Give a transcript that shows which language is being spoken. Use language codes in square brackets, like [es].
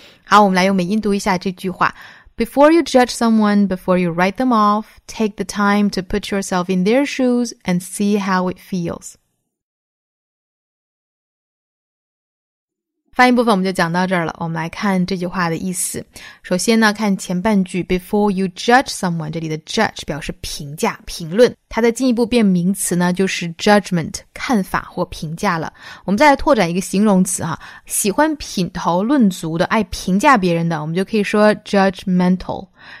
[zh] 好我们来用美音读一下这句话。 [en] Before you judge someone, before you write them off, take the time to put yourself in their shoes and see how it feels. [zh] 发音部分我们就讲到这儿了。我们来看这句话的意思。首先呢看前半句 [en] before you judge someone, [zh] 这里的 judge 表示评价评论。它的进一步变名词呢就是 judgment, 看法或评价了。我们再来拓展一个形容词哈喜欢品头论足的爱评价别人的我们就可以说 judgmental。